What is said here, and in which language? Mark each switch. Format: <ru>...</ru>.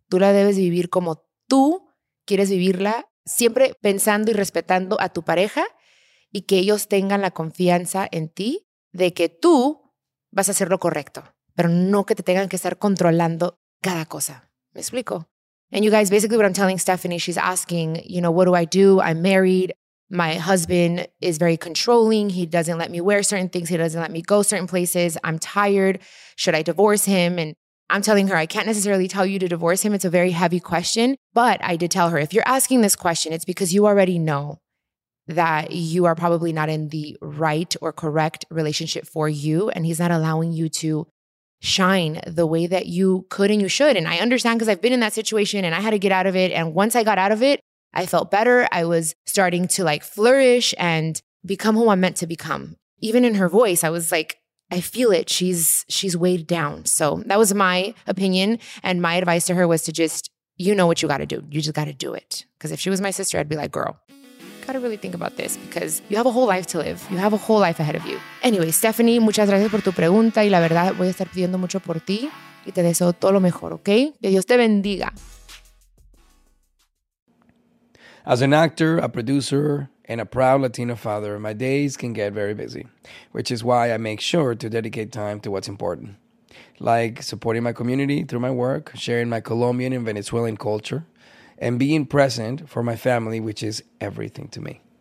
<es>Tú la debes vivir como tú quieres vivirla, siempre pensando y respetando a tu pareja y que ellos tengan la confianza en ti de que tú vas a hacer lo correcto, pero no que te tengan que estar controlando cada cosa. ¿Me explico?</es> <en>And you guys, basically what I'm telling Stephanie, she's asking, you know, what do? I'm married. My husband is very controlling. He doesn't let me wear certain things. He doesn't let me go certain places. I'm tired. Should I divorce him? And I'm telling her, I can't necessarily tell you to divorce him. It's a very heavy question. But I did tell her, if you're asking this question, it's because you already know that you are probably not in the right or correct relationship for you. And he's not allowing you to shine the way that you could and you should. And I understand because I've been in that situation and I had to get out of it. And once I got out of it, I felt better. I was starting to like flourish and become who I'm meant to become. Even in her voice, I was like, I feel it. She's weighed down. So that was my opinion. And my advice to her was to just, you know what you got to do. You just got to do it. Because if she was my sister, I'd be like, girl, got to really think about this because you have a whole life to live. You have a whole life ahead of you.</en> <es>Anyway, Stephanie, muchas gracias por tu pregunta y la verdad voy a estar pidiendo mucho por ti y te deseo todo lo mejor, ¿ok? Que Dios te bendiga.</es> <en>As an actor, a producer, and a proud Latino father, my days can get very busy, which is why I make sure to dedicate time to what's important, like supporting my community through my work, sharing my Colombian and Venezuelan culture, and being present for my family, which is everything to me.</en>